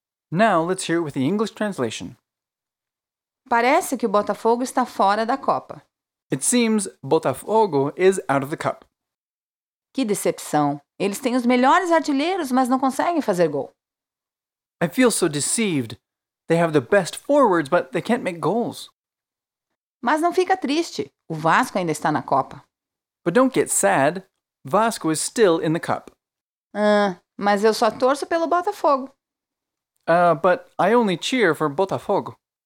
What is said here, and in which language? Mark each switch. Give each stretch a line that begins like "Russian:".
English: Now let's hear it with the English translation.
Portuguese: Parece que o Botafogo está fora da Copa.
English: It seems Botafogo is out of the cup.
Portuguese: Que decepção. Eles têm os melhores artilheiros, mas não conseguem fazer gol.
English: I feel so deceived. They have the best forwards, but they can't make goals.
Portuguese: Mas não fica triste. O Vasco ainda está na Copa.
English: But don't get sad. Vasco is still in the cup.
Portuguese: Mas eu só torço pelo Botafogo.
English: But I only cheer for Botafogo.